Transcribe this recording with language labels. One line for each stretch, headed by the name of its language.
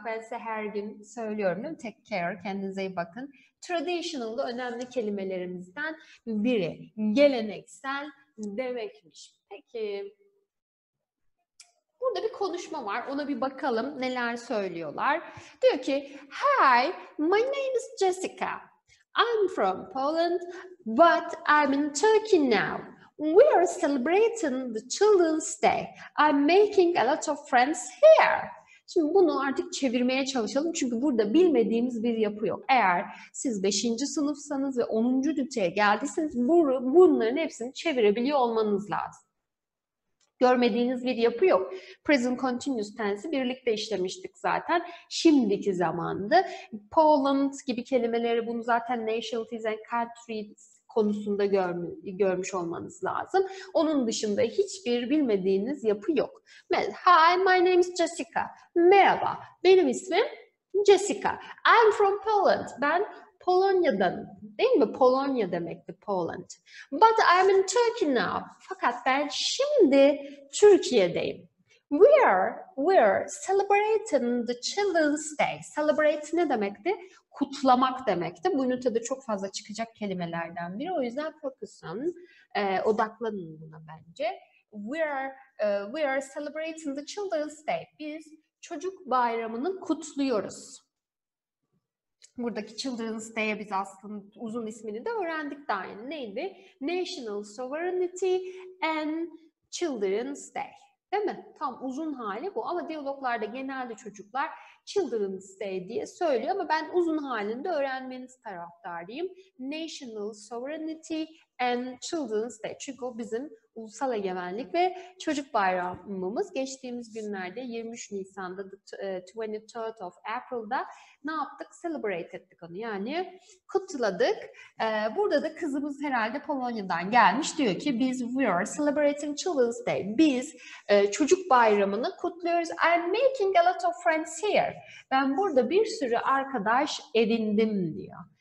Turkish: Ben size her gün söylüyorum değil mi?
English: Take care,
Turkish: kendinize iyi bakın. Traditional da önemli kelimelerimizden biri. Geleneksel demekmiş. Peki. Bu Onunla bir konuşma var. Ona bir bakalım neler söylüyorlar. Diyor ki,
English: "Hi, my name is Jessica. I'm from Poland, but I'm in Turkey now. We are celebrating the Children's Day. I'm making a lot of friends here."
Turkish: Şimdi bunu artık çevirmeye çalışalım. Çünkü burada bilmediğimiz bir yapı yok. Eğer siz 5. sınıfsanız ve 10. üniteye geldiyseniz bunların hepsini çevirebiliyor olmanız lazım. Görmediğiniz bir yapı yok. Present continuous tense'i birlikte işlemiştik zaten. Şimdiki zamanda. Poland gibi kelimeleri, bunu zaten nationalities and countries konusunda görmüş olmanız lazım. Onun dışında hiçbir bilmediğiniz yapı yok.
English: Hi, my name is Jessica.
Turkish: Merhaba, benim ismim Jessica.
English: I'm from Poland.
Turkish: Ben Polonya'dan, değil mi? Polonya demekti Poland.
English: But I'm in Turkey now.
Turkish: Fakat ben şimdi Türkiye'deyim.
English: We're celebrating the Children's Day.
Turkish: Celebrate ne demekti? Kutlamak demekti. Bu ünitede çok fazla çıkacak kelimelerden biri. O yüzden fokusun, odaklanın buna bence.
English: We are celebrating the Children's Day.
Turkish: Biz çocuk bayramını kutluyoruz. Buradaki Children's Day'e biz aslında uzun ismini de öğrendik daha yeni. Neydi?
English: National Sovereignty and Children's Day.
Turkish: Değil mi? Tam uzun hali bu. Ama diyaloglarda genelde çocuklar Children's Day diye söylüyor. Ama ben uzun halinde öğrenmeniz taraftarıyım.
English: National Sovereignty and Children's Day.
Turkish: Çünkü o bizim ulusal egemenlik ve çocuk bayramımız. Geçtiğimiz günlerde 23 Nisan'da,
English: 23rd of April'da
Turkish: ne yaptık? Celebrate ettik onu. Yani kutladık. Burada da kızımız herhalde Polonya'dan gelmiş. Diyor ki, biz
English: we are celebrating Children's Day.
Turkish: Biz çocuk bayramını kutluyoruz.
English: I'm making a lot of friends here.
Turkish: Ben burada bir sürü arkadaş edindim diyor.